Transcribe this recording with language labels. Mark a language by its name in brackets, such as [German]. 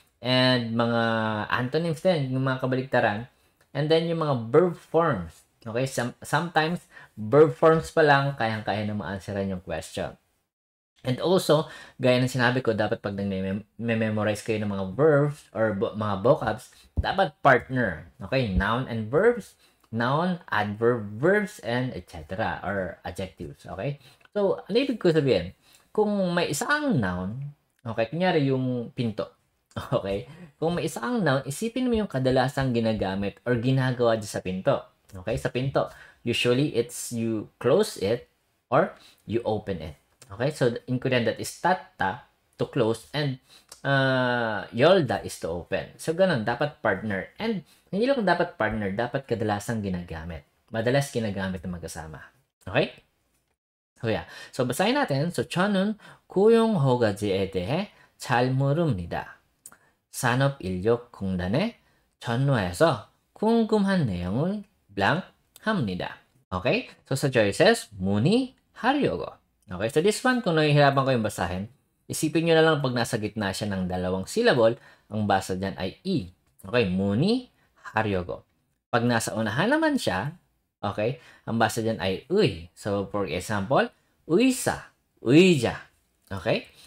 [Filipino] And mga antonyms din, yung mga kabaligtaran. And then yung mga verb forms. Okay, sometimes verb forms pa lang, kayang-kaya na ma-answeran yung question. And also, gaya ng sinabi ko, dapat pag nag-memorize kayo ng mga verbs or mga vocabs, dapat partner. [English] Okay, noun and verbs, noun, adverb, verbs, and etc. [Filipino] Or adjectives, okay? So, ano ibig ko sabihin? Kung may isang noun, okay, kunyari yung pinto. Okay? Kung may isang noun, isipin mo yung kadalasang ginagamit or ginagawa dyan sa pinto. Okay? Sa pinto. [English] Usually, it's you close it or you open it. Okay? So, in Korean, that is tatta, to close, and yolda is to open. [Filipino] So, ganun. Dapat partner. And, hindi lang dapat partner, dapat kadalasang ginagamit. Madalas ginagamit na magkasama. Okay? So, yeah. So, basahin natin. [Korean] So, chonun, kuyong hogaji에 대해 잘 모릅니다. 산업 인력 공단에 전화해서 궁금한 내용을 blank 합니다. [Filipino] Okay? So sa choices, [Korean] 문의하려고. [Filipino] Okay? So this one, kung nahihirapan ko yung basahin, isipin nyo na lang pag nasa gitna siya ng dalawang syllable, ang basa dyan ay E. Okay? [Korean] 문의하려고. [Filipino] Pag nasa unahan naman siya, okay? Ang basa dyan ay 의. So for example, 의사, 의자. Okay?